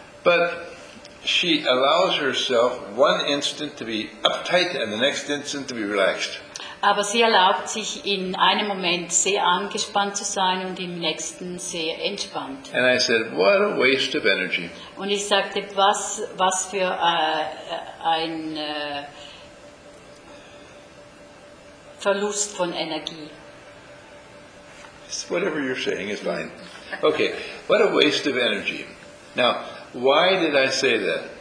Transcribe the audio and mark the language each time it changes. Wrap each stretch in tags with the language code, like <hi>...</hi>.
<en>But she allows herself one instant to be uptight and the next instant to be relaxed.</en> <de>Aber sie erlaubt sich in einem Moment sehr angespannt zu sein und im nächsten sehr entspannt.</de> <en>And I said, what a waste of energy.</en> <de>Und ich sagte, was für ein Verlust von Energie.</de> <en>Whatever you're saying is fine. Okay, what a waste of energy. Now, why did I say that?</en>